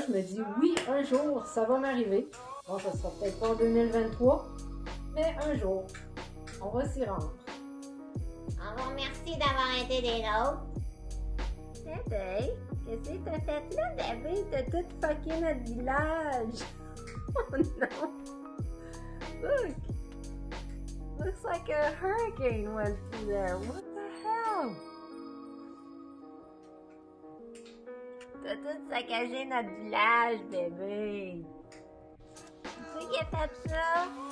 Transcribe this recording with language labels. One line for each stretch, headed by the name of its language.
French: Je me dis oui, un jour, ça va m'arriver. Bon, ça ne sera peut-être pas en 2023, mais un jour, on va s'y rendre. On vous remercie d'avoir été des nôtres. Hey, qu'est-ce que t'as fait là, bébé? T'as tout fucké notre village. Oh non!
English: Look! Looks like a hurricane went through there. What the hell?
French: T'as tout saccagé notre village, bébé. C'est qui a fait ça?